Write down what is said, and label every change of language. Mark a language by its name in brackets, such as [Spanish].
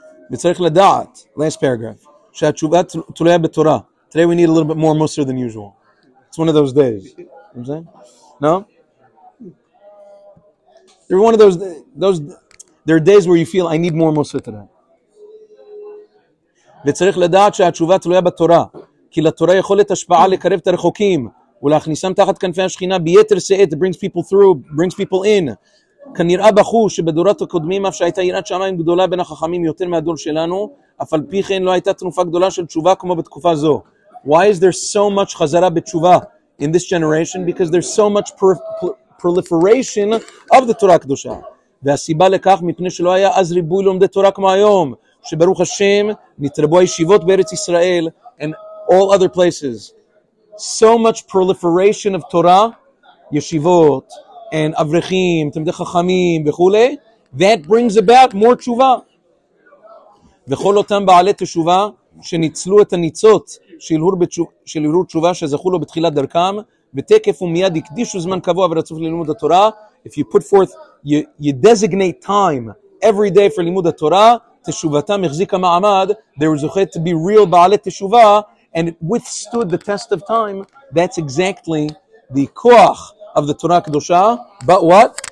[English] Last paragraph. Today we need a little bit more Musar than usual. It's one of those days. You know what I'm saying? No? They're one of those. There are days where you feel I need more Musar today. [Hebrew] וצריך לדעת שהתשובה תלויה בתורה, כי לתורה יכולת השפעה לקרב את הרחוקים, ולהכניסם תחת כנפי השכינה ביתר שאת, [English] brings people through, brings people in. [Hebrew] כנראה בחוש שבדורות הקודמים, אף שהייתה יראת שמיים גדולה בין החכמים יותר מהדור שלנו, אף על פי כן לא הייתה תנופה גדולה של תשובה כמו בתקופה זו. [English] Why is there so much חזרה בתשובה in this generation? Because there's so much proliferation of the Torah הקדושה. [Hebrew] והסיבה לכך מפני שלא היה אז ריבוי לומדי תורה כמו היום, שברוך השם נתרבו הישיבות בארץ ישראל [English] and all other places. So much proliferation of Torah, yeshivot, and avrechim, [Hebrew] תמדי חכמים וכו', [English] that brings about more תשובה. [Hebrew] וכל אותם בעלי תשובה שניצלו את הניצות של הרהור תשובה שזכו לו בתחילת דרכם, ותקף ומיד הקדישו זמן קבוע ורצוף ללימוד התורה. [English] If you put forth, you designate time every day for לימוד התורה, [Hebrew] תשובתם החזיקה מעמד, [English] they were זוכה to be real [Hebrew] בעלי תשובה, [English] and it withstood the test of time. That's exactly the כוח of the Torah הקדושה. But what?